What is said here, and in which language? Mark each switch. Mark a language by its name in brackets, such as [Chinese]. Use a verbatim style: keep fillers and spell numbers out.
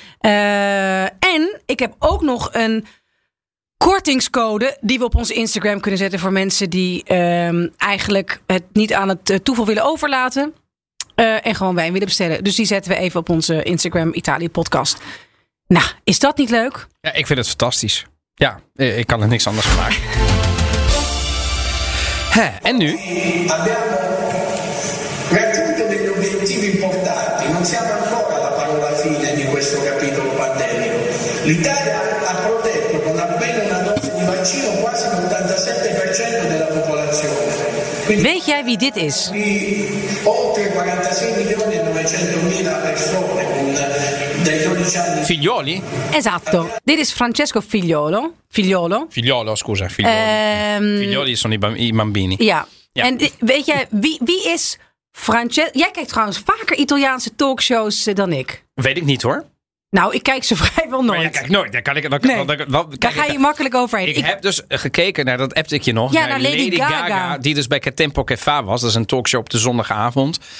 [Dutch] Uh, en ik heb ook nog een kortingscode die we op onze Instagram kunnen zetten voor mensen die uh, eigenlijk het niet aan het toeval willen overlaten. Uh, en gewoon wijn willen bestellen. Dus die zetten we even op onze Instagram Italië podcast. Nou, is dat niet leuk? Ja, ik vind het fantastisch. Ja, ik kan er niks anders van maken. Hè, en nu? [Italian] Raggiunto degli obiettivi importanti, non siamo ancora alla parola fine di questo capitolo pandemico. L'Italia ha protetto con almeno una dose di vaccino quasi l'ottantasette per cento della popolazione. [Dutch] Weet jij wie dit is? [Italian] Oltre quarantasei milioni e novecentomila persone dai dodici anni. Figlioli? [Dutch] Esatto. Dit is Francesco Figliolo. Figliolo. [Italian] Figliolo, scusa. Figlioli. Um, Figlioli sono i, bamb- i bambini. [Dutch] Ja. ja. En weet jij wie, wie is Francesco? Jij kijkt trouwens vaker Italiaanse talkshows dan ik. Weet ik niet hoor. Nou, ik kijk ze vrijwel nooit. ja, kijk nooit. Daar, kan ik, dan kan, nee. dan, dan, dan, daar ga je ik, makkelijk overheen. Ik, ik heb dus gekeken naar, dat appte ik je nog. Ja, naar, naar Lady, Lady Gaga, Gaga. Die dus bij Tempo Café was. Dat is een talkshow op de zondagavond.